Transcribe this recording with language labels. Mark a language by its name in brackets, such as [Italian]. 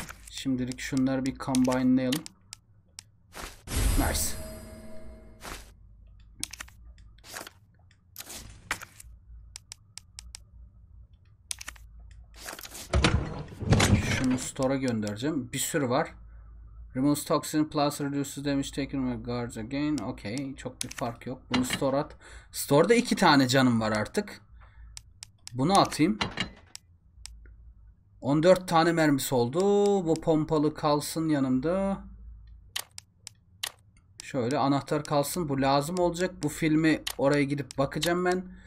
[Turkish] Şimdilik şunları bir combine'layalım. [English] Nice. [Turkish] Şunu store'a göndereceğim. Bir sürü var. [English] Remove toxin plus reduces damage taken by guards again. [Turkish] Okay. Çok bir fark yok. Bunu store at. Store'da iki tane canım var artık. Bunu atayım. 14 tane mermisi oldu. Bu pompalı kalsın yanımda. Şöyle anahtar kalsın. Bu lazım olacak. Bu filmi oraya gidip bakacağım ben.